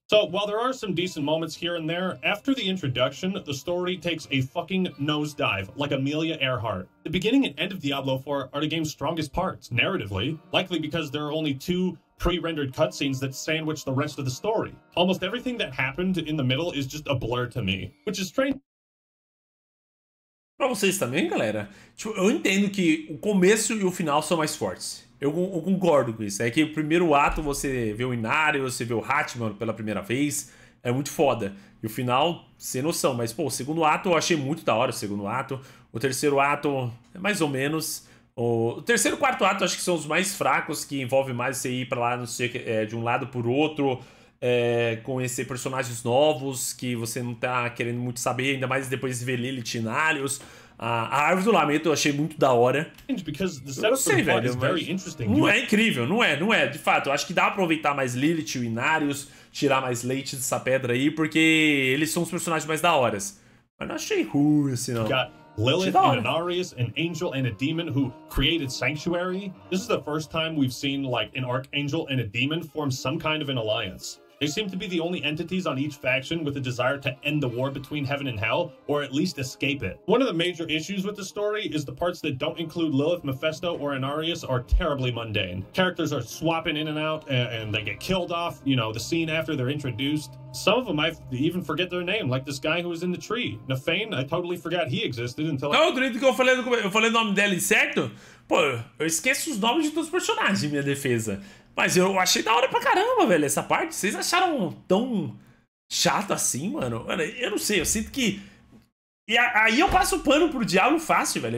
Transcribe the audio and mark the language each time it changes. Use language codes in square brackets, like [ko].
[en] So while there are some decent moments here and there, after the introduction, the story takes a fucking nosedive, like Amelia Earhart. The beginning and end of Diablo 4 are the game's strongest parts, narratively, likely because there are only two pre-rendered cutscenes that sandwich the rest of the story. Almost everything that happened in the middle is just a blur to me, which is strange. [pt] Pra vocês também, galera, tipo, eu entendo que o começo e o final são mais fortes. Eu concordo com isso. É que o primeiro ato você vê o Inário, você vê o Hatman pela primeira vez, é muito foda. E o final, sem noção. Mas, pô, o segundo ato eu achei muito da hora, o segundo ato. O terceiro ato é mais ou menos. O terceiro e quarto ato acho que são os mais fracos, que envolve mais você ir pra lá, não sei, de um lado por outro. É, conhecer personagens novos que você não tá querendo muito saber, ainda mais depois de ver Lilith e Inarius. A Árvore do Lamento eu achei muito da hora. Eu não sei, velho, mas... Não é incrível, não é. De fato, eu acho que dá pra aproveitar mais Lilith e o Inarius, tirar mais leite dessa pedra aí, porque eles são os personagens mais da horas. Mas não achei ruim, assim, não. [en] Lilith and Inarius, an angel and a demon who created Sanctuary. This is the first time we've seen, like, an archangel and a demon form some kind of an alliance. They seem to be the only entities on each faction with a desire to end the war between heaven and hell, or at least escape it. One of the major issues with the story is the parts that don't include Lilith, Mephisto, or Inarius are terribly mundane. Characters are swapping in and out, and they get killed off, you know, the scene after they're introduced. Some of them, I even forget their name, like this guy who was in the tree. Nafane, I totally forgot he existed until... [pt] Não, durante que eu falei o nome dele, certo? Pô, eu esqueço os nomes de todos os personagens, minha defesa. Mas eu achei da hora pra caramba, velho, essa parte. Vocês acharam tão chato assim, mano? Mano, eu não sei, eu sinto que... E aí eu passo o pano pro Diablo fácil, velho.